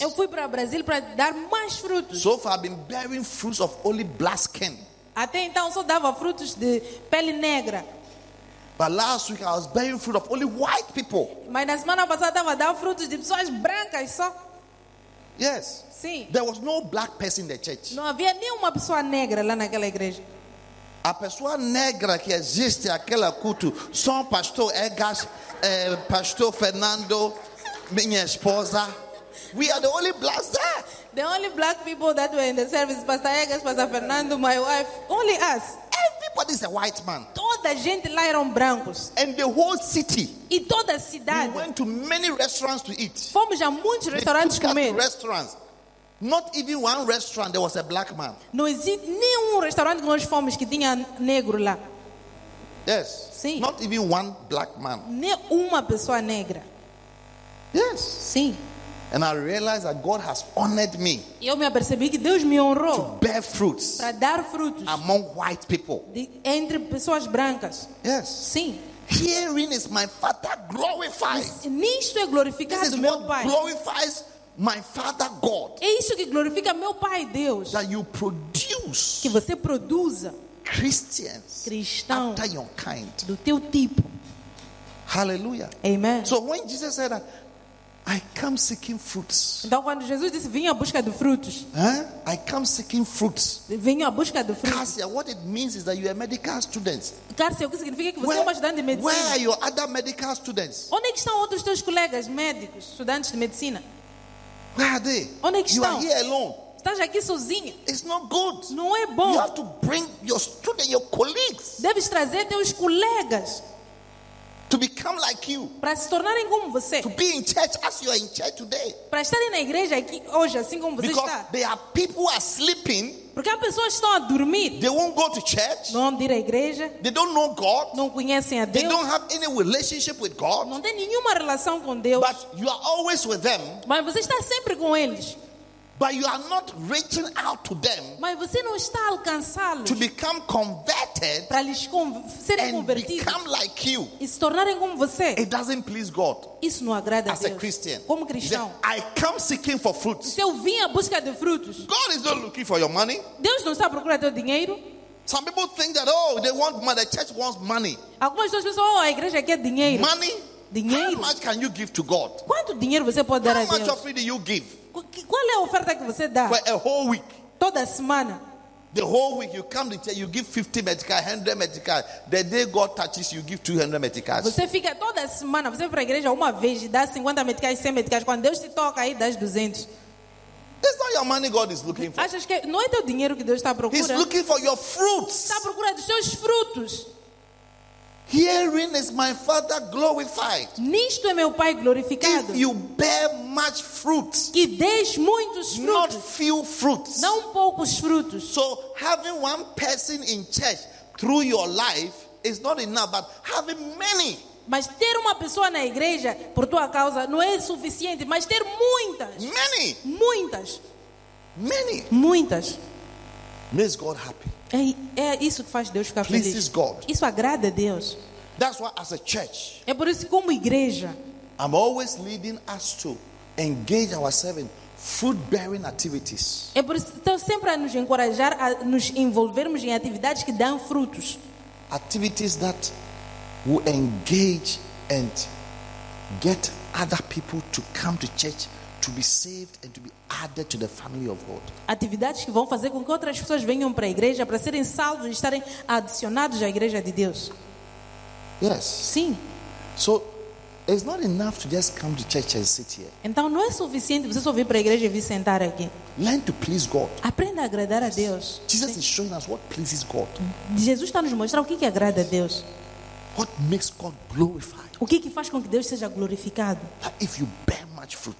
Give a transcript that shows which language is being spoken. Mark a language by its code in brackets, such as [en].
[pt] Eu fui para o Brasil para dar mais frutos. [en] So far I've been bearing fruits of only black skin. [pt] Até então só dava frutos de pele negra. [en] But last week I was bearing fruit of only white people. [pt] Mas na semana passada estava a dar frutos de pessoas brancas só. [en] Yes. [pt] Sim. [en] There was no black person in the church. [pt] Não havia nenhuma pessoa negra lá naquela igreja. A pessoa negra que existe naquela culto, só o pastor Egas, pastor Fernando, minha esposa. [en] We are the only blacks there. The only black people that were in the service, pastor Egas, pastor Fernando, my wife, only us. Everybody is a white man. [pt] Toda gente lá eram brancos. [en] And the whole city. [pt] E toda a cidade. [en] We went to many restaurants to eat. [pt] Fomos a muitos restaurantes comer. [en] They took us to restaurants. Not even one restaurant there was a black man. [pt] Não existe nenhum restaurante que nós fomos que tinha negro lá. [en] Yes. [pt] Sim. [en] Not even one black man. [pt] Nenhuma pessoa negra. [en] Yes. [pt] Sim. [en] And I realized that God has honored me. [pt] Eu me apercebi que Deus me honrou. [en] To bear fruits. [pt] Para dar frutos. [en] Among white people. [pt] Entre pessoas brancas. [en] Yes. [pt] Sim. [en] Herein is my Father glorified. [pt] Nisto é glorificado [en] this is [pt] meu [en] what [pt] Pai. [en] Glorifies my Father God. [pt] É isso que glorifica meu Pai Deus. [en] That you produce. [pt] Que você produza. [en] Christians. [pt] Cristãos. [en] After your kind. [pt] Do teu tipo. [en] Hallelujah. Amen. So when Jesus said that. I come seeking fruits. [pt] Então quando Jesus disse vim à busca de frutos. [en] I come seeking fruits. [pt] Venho à busca de frutos. [en] Cássia, what it means is that you are medical students. [pt] Cássia, o que significa que você é um estudante de medicina? [en] Where are your other medical students? [pt] Onde estão outros teus colegas médicos, estudantes de medicina? [en] Where are they? [pt] Onde estão? [en] You are here alone. [pt] Estás aqui sozinho. [en] It's not good. [pt] Não é bom. [en] You have to bring your students, your colleagues. [pt] Deves trazer teus colegas. [en] To become like you. [pt] Para se tornarem como você. [en] To be in church as you are in church today. [pt] Para estarem na igreja aqui hoje assim como você [en] Because [pt] está. [en] Because there are people who are sleeping. [pt] Porque há pessoas que estão a dormir. [en] They won't go to church. [pt] Não vão ir à igreja. [en] They don't know God. [pt] Não conhecem a Deus. [en] They don't have any relationship with God. [pt] Não têm nenhuma relação com Deus. [en] But you are always with them. [pt] Mas você está sempre com eles. [en] But you are not reaching out to them. [pt] Mas você não está a alcançá-los. [en] To become converted. [pt] Para lhes serem convertidos. [en] Become like you. [pt] E se tornarem como você. [en] It doesn't please God. [pt] Isso não agrada a Deus. [en] As a Christian. [pt] Como cristão. [en] I come seeking for fruits. [pt] Se eu vim à busca de frutos. [en] God is not looking for your money. [pt] Deus não está a procurar teu dinheiro. [en] Some people think that they want money. The church wants money. [pt] Algumas pessoas pensam, a igreja quer dinheiro. [en] Money. [pt] Dinheiro. [en] How much can you give to God? [pt] Quanto dinheiro você pode dar a Deus? [en] How much offering do you give? [pt] Qual é a oferta que você dá? [en] For a whole week. [pt] Toda semana. [en] The whole week you come to church, you give 50 medicals, 100 medicals. The day God touches you, you give 200 medicals. [pt] Você fica toda semana, você vai para a igreja uma vez e dá 50 medicals, 100 medicals. Quando Deus te toca aí, dá 200. [en] It's not your money God is looking for. [pt] Achas que não é teu dinheiro que Deus está procurando? [en] He's looking for your fruits. [pt] Está procurando os seus frutos. [en] Herein is my Father glorified. [pt] Nisto é meu Pai glorificado. [en] If you bear much fruits. [pt] Que deis muitos frutos. [en] Not few fruits. [pt] Não poucos frutos. [en] So having one person in church through your life is not enough, but having many. [pt] Mas ter uma pessoa na igreja por tua causa não é suficiente, mas ter muitas. [en] Many. [pt] Muitas. [en] Many. [pt] Muitas. [en] Makes God happy. [pt] É isso que faz Deus ficar [en] Pleases God. [pt] Isso agrada a Deus. [en] That's why as a church. [pt] É por isso que como igreja. [en] I'm always leading us to engage ourselves in fruit-bearing activities. [pt] É por isso que estou sempre a nos encorajar a nos envolvermos em atividades que dão frutos. [en] Activities that will engage and get other people to come to church to be saved and to be added to the family of God. [pt] Atividades que vão fazer com que outras pessoas venham para a igreja para serem salvos e estarem adicionados à igreja de Deus. [en] Yes. [pt] Sim. [en] So it's not enough to just come to church and sit here. [pt] Então não é suficiente você só vir para a igreja e vir sentar aqui. [en] Learn to please God. [pt] Aprenda a agradar a Deus. [en] Jesus is showing us what pleases God. [pt] Jesus está nos mostrando o que agrada a Deus. [en] What makes God glorified? [pt] O que faz com que Deus seja glorificado? [en] If you bear much fruit.